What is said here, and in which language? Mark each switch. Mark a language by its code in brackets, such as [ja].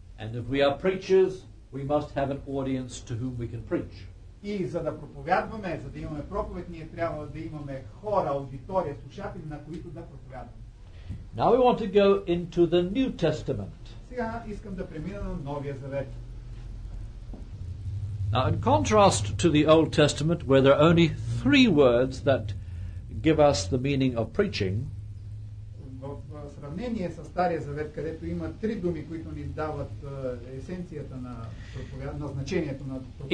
[en] And if we are preachers, we must have an audience to whom we can preach. [bg] И за да проповядваме, за да имаме проповед, ние трябва да имаме хора, аудитория, слушатели, на които да проповядваме. [en] Now we want to go into the New Testament. [bg] Сега искам да премина на Новия Завет. [en] Now in contrast to the Old Testament, where there are only three words that give us the meaning of preaching. [bg] В сравнение с Стария Завет, където има три думи, които ни дават есенцията на значението на проповядването.